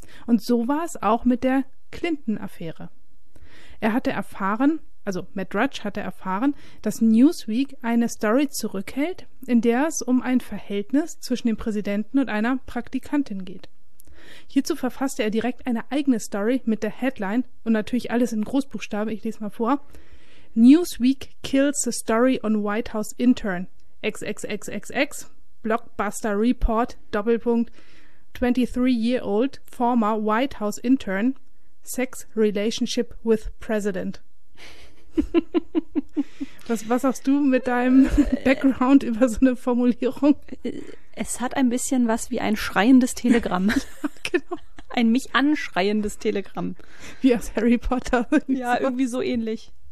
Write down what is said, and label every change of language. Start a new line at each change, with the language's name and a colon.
German: Und so war es auch mit der Clinton-Affäre. Matt Drudge hatte erfahren, dass Newsweek eine Story zurückhält, in der es um ein Verhältnis zwischen dem Präsidenten und einer Praktikantin geht. Hierzu verfasste er direkt eine eigene Story mit der Headline und natürlich alles in Großbuchstaben, ich lese mal vor.
English: Newsweek kills the story on White House intern. XXXXX, Blockbuster Report, Doppelpunkt. 23-year-old former White House intern, sex relationship with president.
German: Was sagst du mit deinem Background über so eine Formulierung? Es hat ein bisschen was wie ein schreiendes Telegramm. Genau. Ein mich anschreiendes Telegramm. Wie aus Harry Potter. Ja, irgendwie so ähnlich.